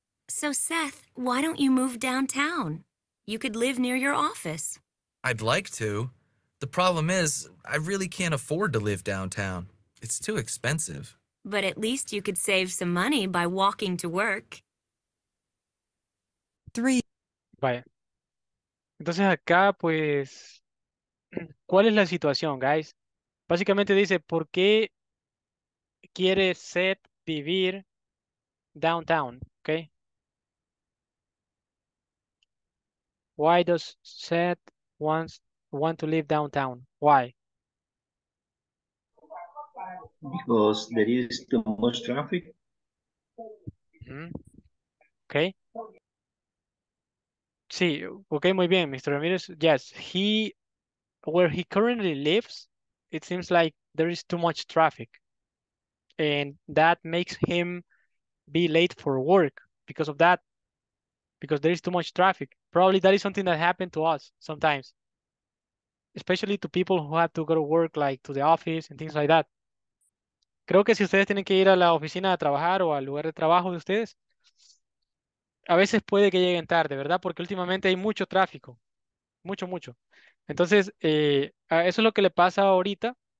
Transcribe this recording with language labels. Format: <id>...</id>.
<en>So Seth, why don't you move downtown? You could live near your office. I'd like to. The problem is, I really can't afford to live downtown. It's too expensive. But at least you could save some money by walking to work. 3.</en> <es>Vaya. Entonces acá, pues, ¿cuál es la situación, guys? Básicamente dice, ¿por qué quiere Seth vivir downtown, okay?</es> <en>Why does Seth want to live downtown? Why? Because there is too much traffic. Mm-hmm. Okay.</en> <es>Sí, okay, muy bien, Mr. Ramirez.</es> <en>Yes, where he currently lives, it seems like there is too much traffic. And that makes him be late for work because of that, because there is too much traffic. Probably that is something that happened to us sometimes, especially to people who have to go to work, like to the office and things like that.</en> <es>Creo que si ustedes tienen que ir a la oficina a trabajar o al lugar de trabajo de ustedes, a veces puede que lleguen tarde, ¿verdad? Porque últimamente hay mucho tráfico, mucho, mucho. Entonces, eso es lo que le pasa ahorita.</es>